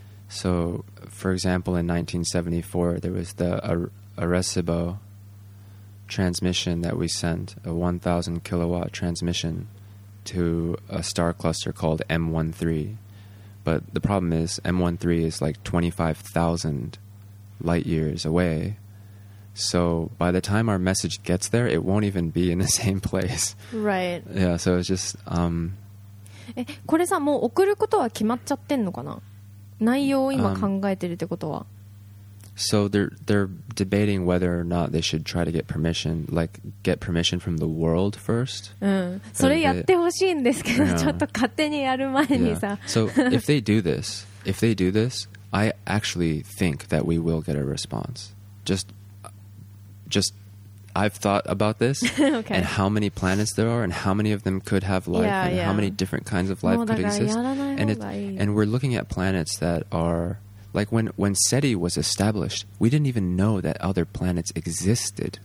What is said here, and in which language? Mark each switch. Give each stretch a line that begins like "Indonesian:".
English: So, for example, in 1974, there was the Arecibo transmission that we sent, a 1,000 kilowatt transmission to a star cluster called M13. But the problem is, M13 is like 25,000 light years away. So by the time our message gets there, it won't even be in the same place. Right. Yeah, so it's just...
Japanese: これさ、もう送ることは決まっちゃってんのかな？内容を今考えてるってことは。
English: So they're debating whether or not they should try to get permission, like get permission from the world first.
Japanese: それやってほしいんですけど、ちょっと勝手にやる前にさ。
English: So if they do this, I actually think that we will get a response. Just, I've thought about this okay. and how many planets there are and how many of them could have life how many different kinds of life could exist. And we're looking at planets that are, like when SETI was established, we didn't even know that other planets existed.